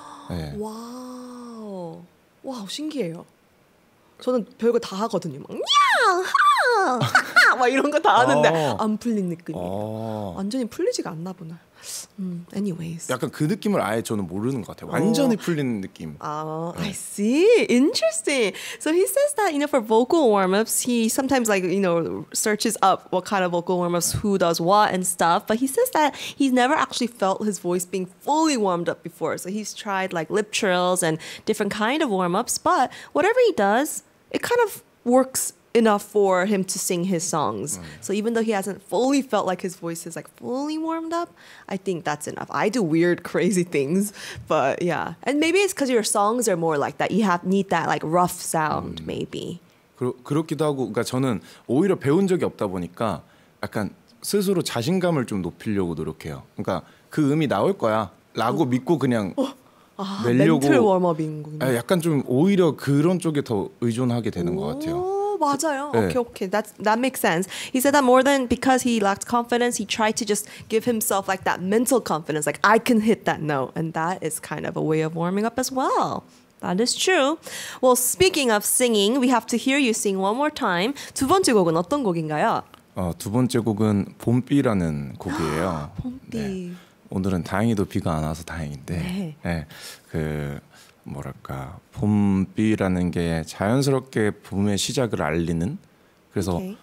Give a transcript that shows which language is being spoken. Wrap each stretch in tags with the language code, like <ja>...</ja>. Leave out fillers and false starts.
<ko>네. 와 와 신기해요. 저는 별거 다 하거든요. 막 막 이런 거 다 하는데 안 풀린 느낌이 완전히 풀리지가 않나 보나.</ko> <en>Anyways.</en> <ko>약간 그 느낌을 아예 저는 모르는 것 같아요. 완전히 풀리는 느낌.</ko> <en>I see. Interesting. So he says that, you know, for vocal warm-ups, he sometimes like, you know, searches up what kind of vocal warm-ups, who does what and stuff. But he says that he's never actually felt his voice being fully warmed up before. So he's tried like lip trills and different kind of warm-ups. But whatever he does, it kind of works enough for him to sing his songs. So even though he hasn't fully felt like his voice is like fully warmed up, I think that's enough. I do weird, crazy things, but yeah. And maybe it's because your songs are more like that. You have need that like rough sound, maybe.</en> <ko>그렇기도 하고, 그러니까 저는 오히려 배운 적이 없다 보니까 약간 스스로 자신감을 좀 높이려고 노력해요. 그러니까 그 음이 나올 거야라고 믿고 그냥. 내려고. 멘틀 워머빙군요. 약간 좀 오히려 그런 쪽에 더 의존하게 되는 것 같아요. 맞아요. 네.</ko> <en>Okay, okay. That makes sense. He said that more than because he lacked confidence, he tried to just give himself like that mental confidence, like I can hit that note, and that is kind of a way of warming up as well. That is true. Well, speaking of singing, we have to hear you sing one more time.</en> <ko>두 번째 곡은 어떤 곡인가요? 두 번째 곡은 봄비라는 곡이에요. 봄비. 네. 오늘은 다행히도 비가 안 와서 다행인데, 네. 그 뭐랄까 봄비라는 게 자연스럽게 봄의 시작을 알리는 그래서 okay.</ko>